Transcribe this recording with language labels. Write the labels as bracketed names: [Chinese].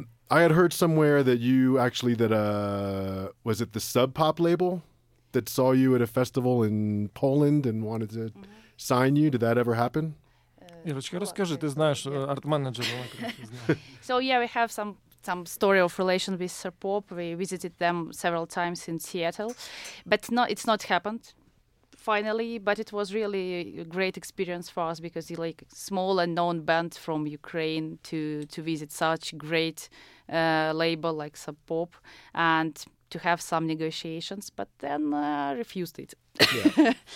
[English] I had heard somewhere that you actually was it the Sub Pop label that saw you at a festival in Poland and wanted to mm-hmm. sign you? Did that ever happen? [Ukrainian] Ірочка, розкажи, ти знаєш, арт-менеджер. [English] So, yeah, we have some story of relation with Sub Pop. We visited them several times in Seattle. But no, it's not happened, finally. But it was really a great experience for us, because it's like small and known band from Ukraine to visit such great label like Sub Pop and to have some negotiations, but then refused it. Yeah.